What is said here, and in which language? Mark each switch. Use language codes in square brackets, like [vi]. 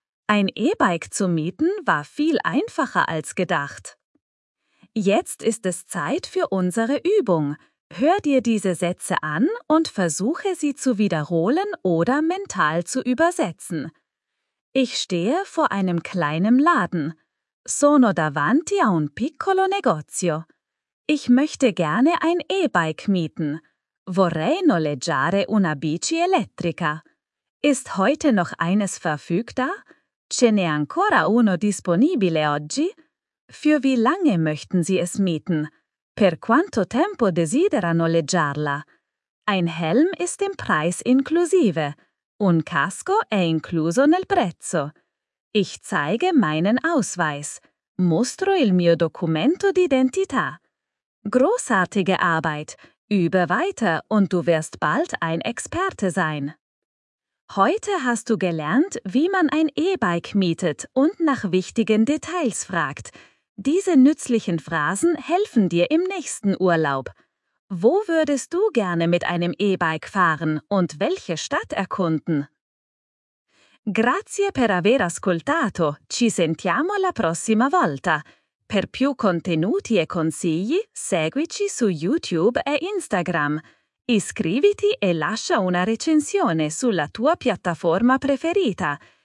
[de] Ein E-Bike zu mieten war viel einfacher als gedacht. Jetzt ist es Zeit für unsere Übung. Hör dir diese Sätze an und versuche sie zu wiederholen oder mental zu übersetzen. Ich stehe vor einem kleinen Laden. [it] Sono davanti a un piccolo negozio. [de] Ich möchte gerne ein E-Bike mieten. [it] Vorrei noleggiare una bici elettrica. [de] Ist heute noch eines verfügbar? [it] Ce n'è ancora uno disponibile oggi? [de] Für wie lange möchten Sie es mieten? [it] Per quanto tempo desidera noleggiarla? [de] Ein Helm ist im Preis inklusive. [it] Un casco è incluso nel prezzo. [de] Ich zeige meinen Ausweis. [it] Mostro il mio documento d'identità. [de] Großartige Arbeit! Übe weiter und du wirst bald ein Experte sein. Heute hast du gelernt, wie man ein E-Bike mietet und nach wichtigen Details fragt. Diese nützlichen Phrasen helfen dir im nächsten Urlaub. Wo würdest du gerne mit einem E-Bike fahren und welche Stadt erkunden? [it] Grazie per aver ascoltato. Ci sentiamo la prossima volta. Per più contenuti e consigli, seguici su YouTube e Instagram. Iscriviti e lascia una recensione sulla tua piattaforma preferita.